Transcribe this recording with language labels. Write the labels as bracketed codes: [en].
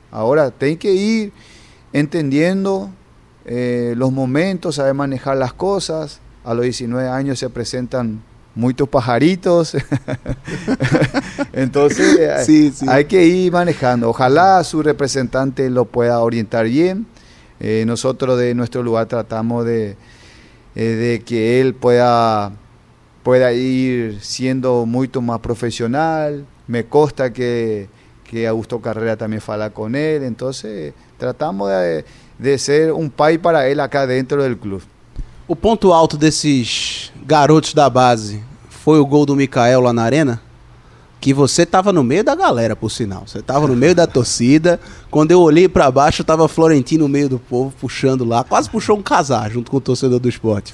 [pt] Agora tem que ir entendendo os momentos, saber manejar as coisas. [es] A los 19 años se presentan muchos pajaritos. Entonces sí. Hay que ir manejando. Ojalá su representante lo pueda orientar bien. Nosotros de nuestro lugar tratamos de que él pueda ir siendo mucho más profesional. Me consta que Augusto Carrera también [pt] fala [es] con él. Entonces tratamos de ser un [pt] pai [es] para él acá dentro del club. [pt] O ponto alto desses garotos da base foi o gol do Mikael lá na arena? Que você tava no meio da galera, por sinal. Você tava no meio da torcida. Quando eu olhei para baixo, tava Florentino no meio do povo, puxando lá. Quase puxou um casar junto com o torcedor do Sport.